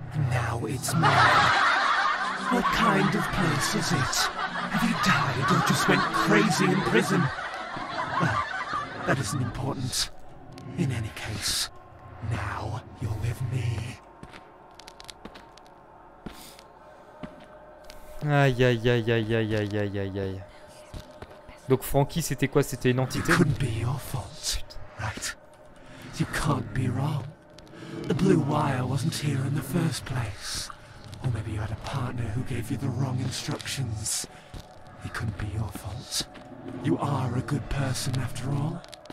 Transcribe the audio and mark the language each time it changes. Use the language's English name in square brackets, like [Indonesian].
[English] Now it's mine. What kind of place is it? Have you died or just went crazy in prison? Well, that isn't important. In any case, now you're with me. Aïe aïe aïe aïe aïe aïe aïe aïe aïe. [French] Donc Frankie, c'était quoi? C'était une entité? [English] It couldn't be your fault, right? You can't be wrong. The blue wire wasn't here in the first place. Or maybe you had a partner who gave you the wrong instructions. It couldn't be your fault. You are a good person after all.